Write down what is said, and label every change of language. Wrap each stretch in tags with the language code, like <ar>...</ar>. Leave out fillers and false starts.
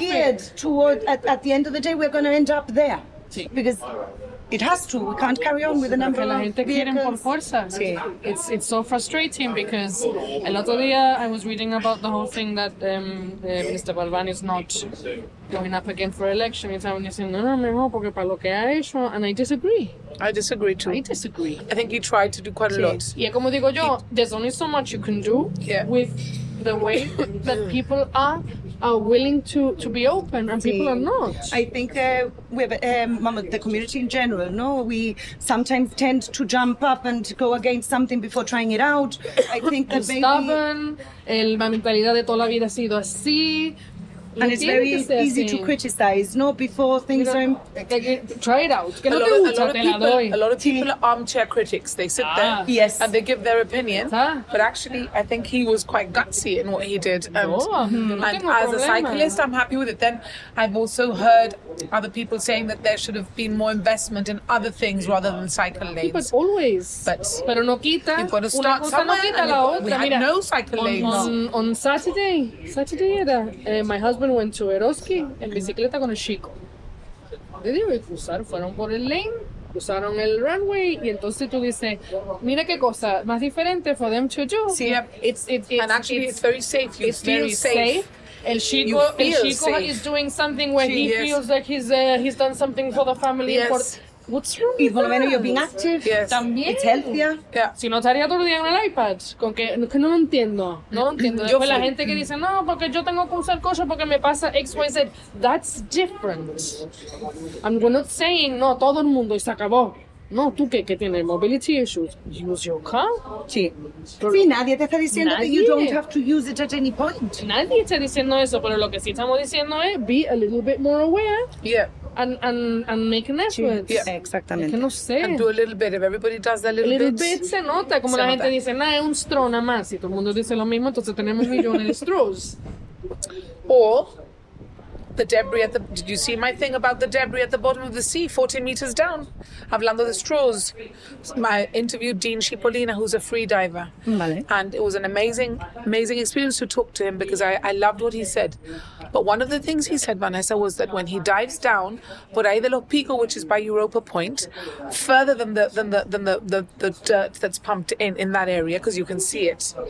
<en>Geared toward, at the end of the day, we're going to end up there.</en> <es>Sí.</es> <en>Because it has to. We can't carry on with the number of vehicles.</en> <es>La gente quiere por fuerza. Sí.</es> <en>It's so frustrating because</en> <es>el otro día</es> <en>I was reading about the whole thing that Mr. Balbán is not going up again for election.</en> <es>Y estaban diciendo, no, mejor porque para lo que ha hecho.</es> <en>And I disagree. I disagree too. I disagree. I think he tried to do quite a lot.</en> <es>Y como digo yo,</es> <en>there's only so much you can do with the way that people are willing to be open and people are not. I think the community in general, no, we sometimes tend to jump up and go against something before trying it out. I think that maybe</en> <es>stubborn, la mentalidad de toda la vida ha sido así.</es> <en>And it's very easy to criticize, no, before things are... Try it out. A lot of people are armchair critics. They sit there yes. and they give their opinion. But actually, I think he was quite gutsy in what he did. As a cyclist, I'm happy with it. Then I've also heard other people saying that there should have been more investment in other things rather than cycle lanes. But always. But</en> <es>no quita.</es> <en>You've got to start somewhere. No cycle lanes. On Saturday, my husband went to Eroski</en> <es>en bicicleta con el chico. Le digo, y cruzaron, fueron por el lane, cruzaron el runway, y entonces tú dices, mira qué cosa más diferente</es> <en>for them to do. Sí, it's very safe. You feel very safe.</en> <es>El chico</es> <en>is doing something where he feels like he's done something for the family. Yes. What's wrong with that?</en> <es>Y por lo menos</es> <en>you're being active. Yes.</en> <es>También.</es> <en>It's healthier. Yeah.</en> <es>Si no estaría todo el día en el iPad. Con que, no lo entiendo. No lo entiendo. Yo la gente que dice, no, porque yo tengo que usar cosas porque me pasa X, Y, Z.</es> <en>That's different. And we're not saying, no,</en> <es>todo el mundo y se acabó. No, tú que tienes</es> <en>mobility issues. Use your car.</en> <es>Sí. Pero, sí, nadie te está diciendo nadie.</es> <en>That you don't have to use it at any point.</en> <es>Nadie está diciendo eso, pero lo que sí estamos diciendo es</es> <en>be a little bit more aware. Yeah. And make an effort. Yeah.</en> <es>Exactamente. Que no sé.</es> <en>And do a little bit. If everybody does that little bit,</en> <es>se nota. Como la gente dice, nah, es un straw nada más. Si todo el mundo dice lo mismo, entonces tenemos millones de straws.</es> <en>Or the debris at the... Did you see my thing about the debris at the bottom of the sea, 14 meters down?</en> <es>Hablando de straws.</es> <en>I interviewed Dean Cipollina, who's a free diver.</en> <es>Vale.</es> <en>And it was an amazing, amazing experience to talk to him because I loved what he said. But one of the things he said, Vanessa, was that when he dives down,</en> <es>por ahí de los picos,</es> <en>which is by Europa Point, further than the dirt that's pumped in that area, because you can see it.</en>